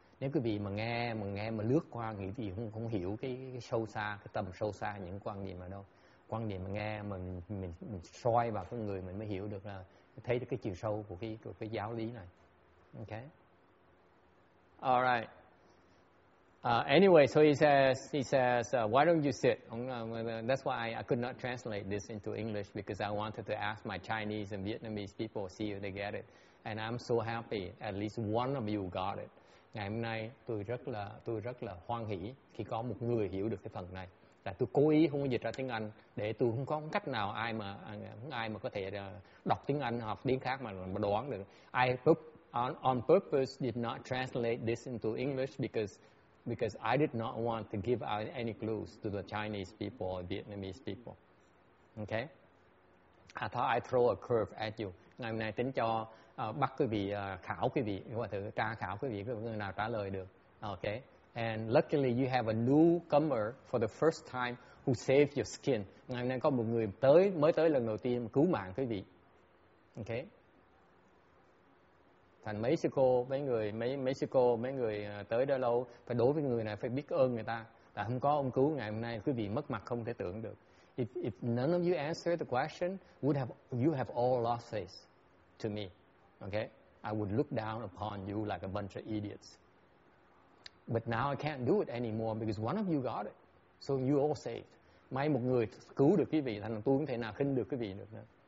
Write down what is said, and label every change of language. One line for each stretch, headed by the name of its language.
Vietnamese: Nếu quý vị mà nghe lướt qua, nghĩ thì không hiểu cái sâu xa, cái tầm sâu xa những quan niệm ở đâu. Quan điểm mà nghe mình soi vào cái người mình mới hiểu được, là thấy được cái chiều sâu của cái giáo lý này.
English: Ok. All right. Anyway, so he says, why don't you sit? That's why I could not translate this into English, because I wanted to ask my Chinese and Vietnamese people, see if they get it. And I'm so happy at least one of you got it.
Vietnamese: Ngày hôm nay tôi rất là hoan hỷ khi có một người hiểu được cái phần này. Là tôi cố ý không có dịch ra tiếng Anh để tôi không có cách nào ai mà có thể đọc tiếng Anh hoặc tiếng khác mà đoán được.
English: I on purpose did not translate this into English because I did not want to give out any clues to the Chinese people or Vietnamese people. Okay? I thought I'd throw a curve at you.
Vietnamese: Ngày hôm nay tính cho bắt quý vị khảo quý vị, và thử tra khảo quý vị có người nào trả lời được. Okay?
English: And luckily you have a newcomer for the first time who saved your skin.
Vietnamese: Ngày hôm nay có một người mới tới lần đầu tiên cứu mạng quý vị. Ok. Thành mấy sư cô, mấy người tới đó lâu, phải đối với người này phải biết ơn người ta. Là không có ông cứu ngày hôm nay quý vị mất mặt không thể tưởng được.
English: If none of you answered the question, you have all lost face to me. Ok. I would look down upon you like a bunch of idiots. But now I can't do it anymore because one of you got it. So you all saved.
Vietnamese: May một người cứu được quý vị, thành tôi không thể nào khinh được quý vị được nữa.